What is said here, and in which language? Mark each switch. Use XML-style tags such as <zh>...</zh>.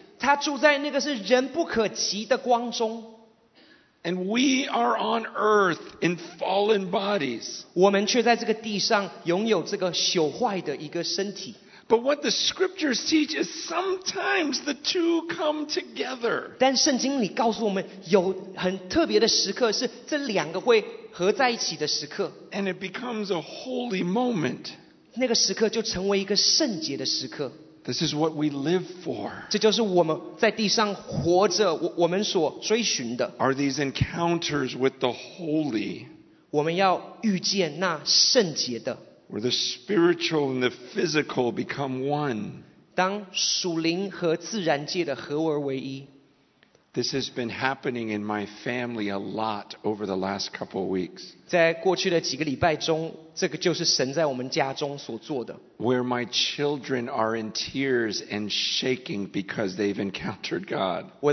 <zh>他住在那个是人不可及的光中。</zh> <en>And we are on earth in fallen bodies.</en> <zh>我们却在这个地上拥有这个朽坏的一个身体。</zh> <en>But what the scriptures teach is sometimes the two come together.</en> <zh>但圣经里告诉我们，有很特别的时刻，是这两个会合在一起的时刻。</zh> <en>And it becomes a holy moment.</en> <zh>那个时刻就成为一个圣洁的时刻。</zh> <en>This is what we live for.</en> <zh>这就是我们在地上活着，我们所追寻的。</zh> <en>Are these encounters with the holy?</en> <zh>我们要遇见那圣洁的。</zh> <en>Where the spiritual and the physical become one.</en> <zh>当属灵和自然界的合而为一。</zh> <en>This has been happening in my family a lot over the last couple of weeks.</en> <zh>在过去的几个礼拜中，这个就是神在我们家中所做的。</zh> <en>Where my children are in tears and shaking because they've encountered God.</en>